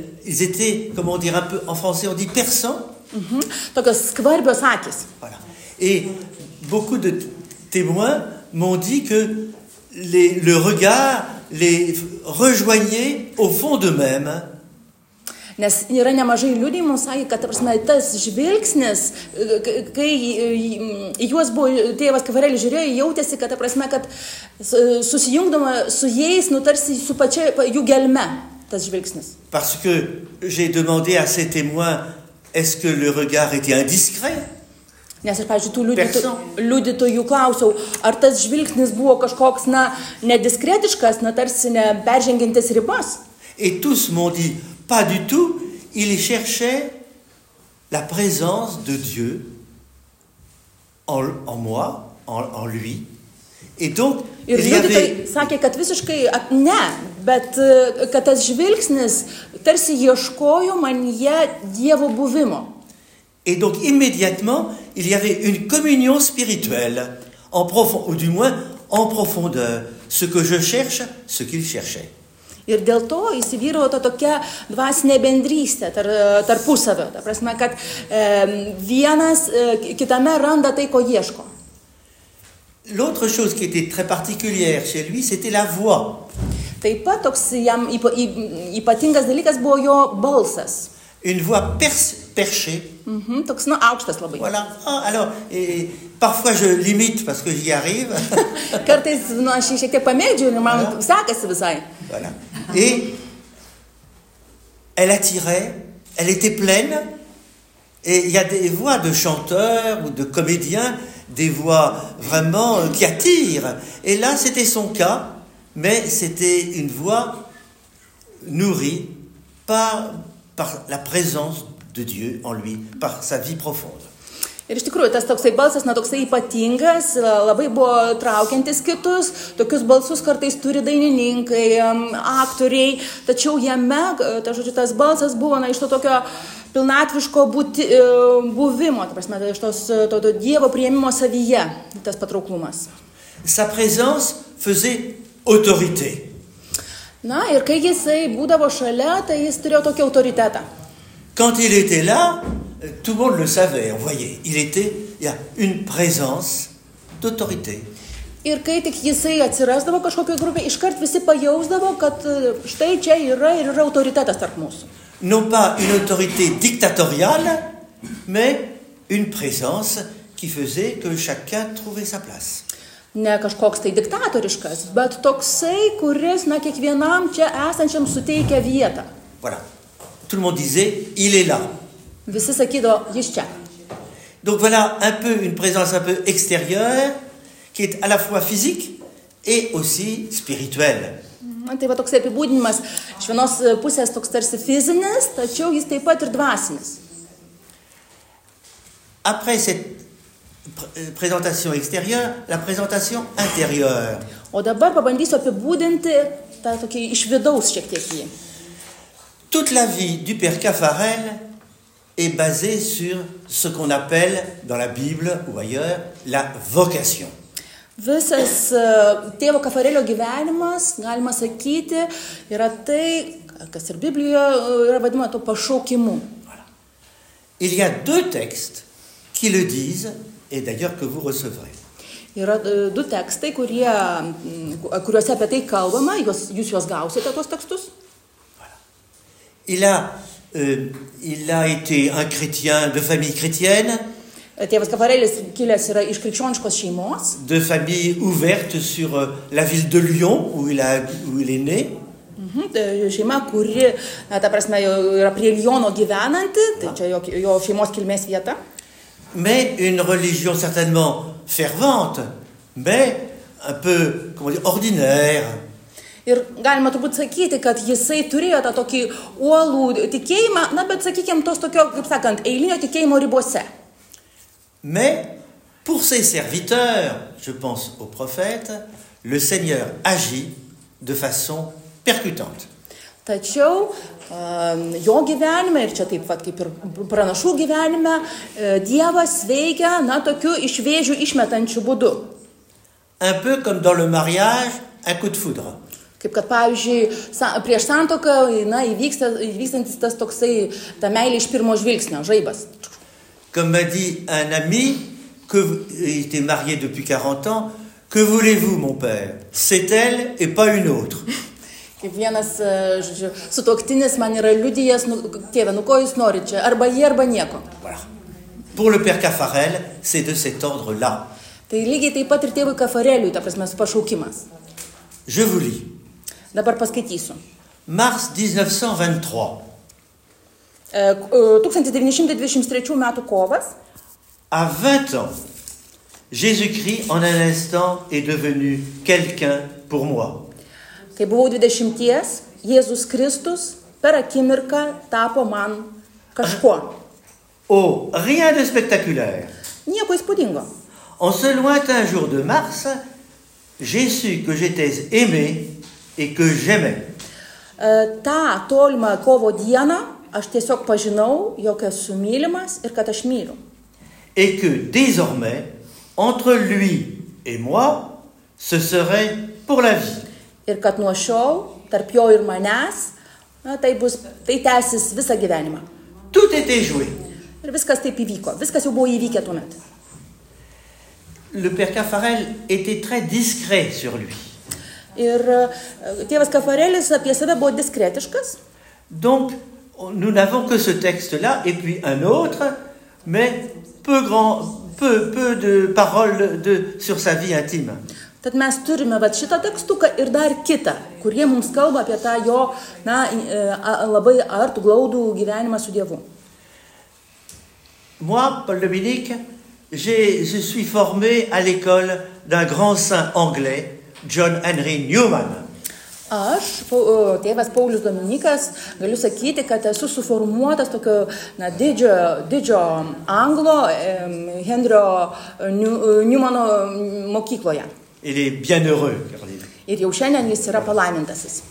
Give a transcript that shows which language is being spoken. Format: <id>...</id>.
<fr>Ils étaient, comment dire, un peu en français, on dit perçants.</fr> <lt>Tokios skvarbios akis.</lt> <fr>Voilà. Et beaucoup de témoins m'ont dit que le regard les rejoignait au fond d'eux-mêmes.</fr> <lt>Nes yra nemažai liudijimų, sakė, kad tas žvilgsnis, kai juos buvo tėvas Caffarelis žiūrėjo, jautėsi, kad susijungdama su jais, tarsi su pačia jų gelme tas žvilgsnis.</lt> <fr>Parce que j'ai demandé à ces témoins, est-ce que le regard était indiscret?</fr> <lt>Nes aš, pavyzdžiui, tų liudytojų klausiau, ar tas žvilgsnis buvo kažkoks, na, nediskretiškas, na, tarsi neperžengintis ribas.</lt> <fr>Et tous m'ont dit, pas du tout, il cherchait la présence de Dieu en moi, en lui. Et donc,</fr> <lt>ir liudytojai sakė, kad visiškai, ne, bet kad tas žvilgsnis tarsi ieškojo manyje Dievo buvimo.</lt> <fr>Et donc immédiatement, il y avait une communion spirituelle, en profond, ou du moins en profondeur, ce que je cherche, ce qu'il cherchait.</fr> <lt>Ir dėl to įsivyravo ta tokia dvasinė bendrystė tarpusavio, ta prasme, kad vienas kitame randa tai, ko ieško.</lt> <fr>L'autre chose qui était très particulière chez lui, c'était la voix.</fr> <lt>Taip pat toks jam ypatingas dalykas buvo jo balsas.</lt> <fr>Une voix perchée.</fr> <lt>Mm-hmm, toks, nu, aukštas labai.</lt> <fr>Voilà. Alors, parfois je limite parce que j'y arrive.</fr> <lt>Kartais, nu, aš šiek tiek pamėdžiu, nu, man sekasi visai.</lt> <fr>Voilà. Et elle attirait, elle était pleine. Et il y a des voix de chanteurs ou de comédiens des voix vraiment qui attirent. Et là, c'était son cas, mais c'était une voix nourrie par la présence de Dieu en lui, par sa vie profonde.</fr> <lt>Ir iš tikrųjų, tas toksai balsas, na, toksai ypatingas, labai buvo traukiantis kitus, tokius balsus kartais turi dainininkai, aktoriai, tačiau jame, ta žodžiu, tas balsas buvo, na, iš to tokio pilnatviško buvimo, ta prasme, iš tos to Dievo priėmimo savyje, tas patrauklumas.</lt> <fr>Sa présence faisait autorité.</fr> <lt>Na, ir kai jisai būdavo šalia, tai jis turėjo tokį autoritetą.</lt> <fr>Quand il était là, tout le monde le savait, on voyait. Il y a une présence d'autorité.</fr> <lt>Ir kai tik jisai atsirasdavo kažkokioje grupėje, iškart visi pajausdavo, kad štai čia yra ir yra autoritetas tarp mūsų.</lt> <fr>Non pas une autorité dictatoriale, mais une présence qui faisait que chacun trouvait sa place.</fr> <lt>Ne kažkoks tai diktatoriškas, bet toksai, kuris na kiekvienam čia esančiam suteikia vietą.</lt> <fr>Voilà. Tout le monde disait, il est là.</fr> <lt>Visi sakydavo, jis čia.</lt> <fr>Donc voilà un peu une présence un peu extérieure qui est à la fois physique et aussi spirituelle.</fr> <lt>Tai va toksai apibūdinimas, iš vienos pusės toks tarsi fizinis, tačiau jis taip pat ir dvasinis.</lt> <fr>Après cette présentation extérieure, la présentation intérieure.</fr> <lt>O dabar pabandysiu apibūdinti tą tokį iš vidaus šiek tiek jį.</lt> <fr>Toute la vie du père Caffarel est basée sur ce qu'on appelle dans la Bible ou ailleurs la vocation.</fr> <lt>Visas tėvo Caffarelio gyvenimas, galima sakyti, yra tai, kas ir Biblijoje yra vadinama to pašaukimu.</lt> <fr>Voilà. Il y a deux textes qui le disent et d'ailleurs que vous recevrez.</fr> <lt>Yra du tekstai, kuriuose apie tai kalbama, jūs juos gausite tuos tekstus.</lt> <fr>Il a été un chrétien de famille chrétienne.</fr> <lt>Tėvas Caffarelis kilęs yra iš krikščioniškos šeimos.</lt> <fr>De famille ouverte sur la ville de Lyon où il est né.</fr> <lt>Šeima, kuri, na, ta prasme, yra prie Lyono gyvenanti, tai čia jo šeimos kilmės vieta.</lt> <fr>Mais une religion certainement fervente, mais un peu, comment dire, ordinaire.</fr> <lt>Ir galima turbūt sakyti, kad jisai turėjo tą tokį uolų tikėjimą, na, bet sakykime, tos tokio, kaip sakant, eilinio tikėjimo ribose.</lt> <fr>Mais pour ses serviteurs, je pense au prophète, le Seigneur agit de façon percutante.</fr> <lt>Tačiau jo gyvenime, ir čia taip pat kaip ir pranašų gyvenime, Dievas veikia, na, tokiu iš vėžių išmetančiu būdu.</lt> <fr>Un peu comme dans le mariage, un coup de foudre.</fr> <lt>Kaip kad, pavyzdžiui, prieš santoką, na, įvykstantis tas toksai, ta meilė iš pirmo žvilgsnio, žaibas.</lt> <fr>Comme m'a dit un ami, il était marié depuis 40 ans, que voulez-vous, mon père? C'est elle et pas une autre.</fr> <lt>Kaip vienas, žodžiu, sutoktinis man yra liudijas, tėve, nu ko jūs norit čia, arba jie, arba nieko.</lt> <fr>Voilà. Pour le père Caffarel, c'est de cet ordre-là.</fr> <lt>Tai lygiai taip pat ir tėvui Caffareliui, ta prasme, su pašaukimas.</lt> <fr>Je vous lis.</fr> <lt>Dabar paskaitysiu.</lt> <fr>Mars 1923.</fr> <lt>1923 metų kovas.</lt> <fr>À 20 ans, Jésus-Christ en un instant est devenu quelqu'un pour moi.</fr> <lt>Kai buvau 20-ties, Jėzus Kristus per akimirką tapo man kažkuo.</lt> <fr>Oh, rien de spectaculaire.</fr> <lt>Nieko įspūdingo.</lt> <fr>En ce lointain jour de mars, j'ai su que j'étais aimé et que j'aimais.</fr> <lt>Ta tolima kovo diena, aš tiesiog pažinau, jog esu mylimas ir kad aš myliu.</lt> <fr>Et que désormais, entre lui et moi, ce serait pour la vie.</fr> <lt>Ir kad nuo šiol, tarp jo ir manęs, tai tęsis visą gyvenimą.</lt> <fr>Tout était joué.</fr> <lt>Ir viskas taip įvyko, viskas jau buvo įvykę tuomet.</lt> <fr>Le père Caffarel était très discret sur lui.</fr> <lt>Ir tėvas Caffarelis apie save buvo diskretiškas.</lt> <fr>Donc, nous n'avons que ce texte-là et puis un autre, mais peu de paroles sur sa vie intime.</fr> <lt>Tad mes turime vat šitą tekstuką ir dar kitą, kurie mums kalba apie tą jo, na, labai artų glaudų gyvenimą su Dievu.</lt> <fr>Moi, Paul Dominique, Je suis formé à l'école d'un grand saint anglais, John Henry Newman.</fr> <lt>Aš, tėvas Paulius Dominikas, galiu sakyti, kad esu suformuotas tokio na, didžio anglo Henrio Newmano mokykloje.</lt> <fr>Il est bien heureux,</fr> <lt>ir jau šiandien jis yra palaimintasis.</lt>